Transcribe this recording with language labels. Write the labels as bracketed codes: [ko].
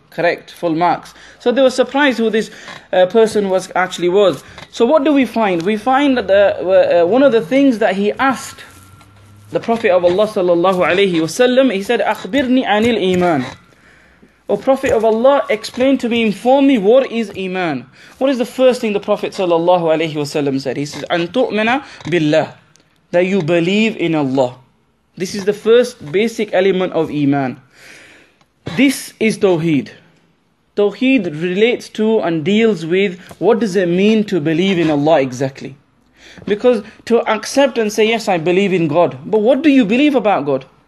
[en] Correct, full marks. So they were surprised who this person actually was. So what do we find? We find that one of the things that he asked the Prophet of Allah sallallahu alayhi wa sallam, he said, [ar] أَخْبِرْنِي عَنِ الْإِيمَانِ. [en] O Prophet of Allah, explain to me, inform me, what is Iman? What is the first thing the Prophet sallallahu alayhi wa sallam said? He says, [ar] أَن تُؤْمِنَ بِاللَّهِ. [en] That you believe in Allah. This is the first basic element of Iman. This is Tawheed. Tawheed relates to and deals with what does it mean to believe in Allah exactly. Because to accept and say, yes, I believe in God. But what do you believe about God?